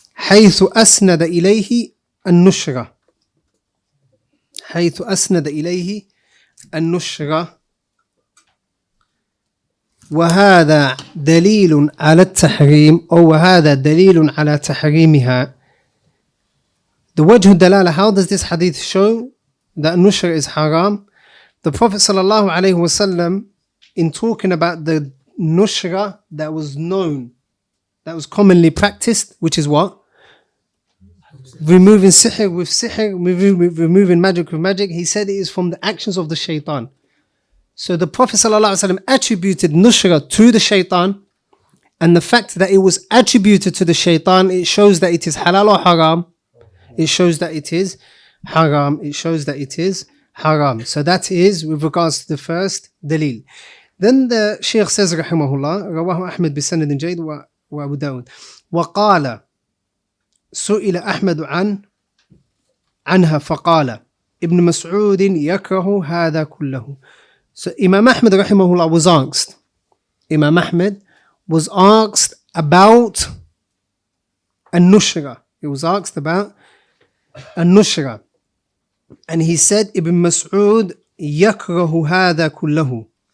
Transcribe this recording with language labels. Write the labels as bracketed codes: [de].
[ar] حيث أسند إليه النشرة حيث أسند إليه النشرة وهذا دليل على التحريم أو هذا دليل على تحريمها. [en] The وجه الدلالة, how does this hadith show that النشرة is haram? The Prophet صلى الله عليه وسلم, in talking about the نشرة that was known, that was commonly practiced, which is what? Removing sihr with sihr, removing magic with magic. He said it is from the actions of the shaitan. So the Prophet ﷺ attributed nushra to the shaitan, and the fact that it was attributed to the shaitan, it shows that it is halal or haram. It shows that it is haram. It shows that it is haram. So that is with regards to the first dalil. Then the Shaykh says, [ar] rahimahullah, rawahu Ahmed bi sanadin jayd wa Abu Dawud, wa qala. سئل أحمد عنها فقال ابن مسعود يكره هذا كله. [en] So Imam Ahmed rahimahullah was asked. Imam Ahmed was asked about النشرة. He was asked about النشرة, and he said [ar] ابن مسعود يكره هذا كله.